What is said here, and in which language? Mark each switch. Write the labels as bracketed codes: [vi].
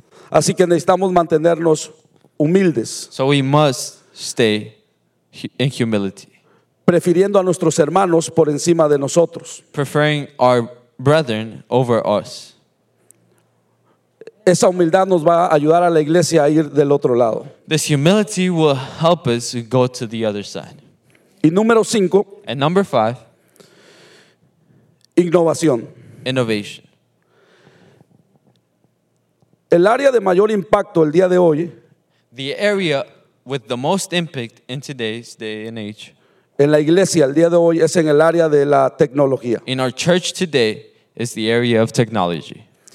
[es] Así que necesitamos mantenernos humildes. [en] So we must stay in humility. [es] Prefiriendo a nuestros hermanos por encima de nosotros. [en] Preferring our brethren over us. [es] Esa humildad nos va a ayudar a la iglesia a ir del otro lado. [en] This humility will help us go to the other side. [es] Y número cinco. [en] And number five. [es] Innovación. [en] Innovation. [es] El área de mayor impacto el día de hoy. [en] The area with the most impact in today's day and age. [es] En la iglesia el día de hoy es en el área de la tecnología. [en] In our church today is the area of technology.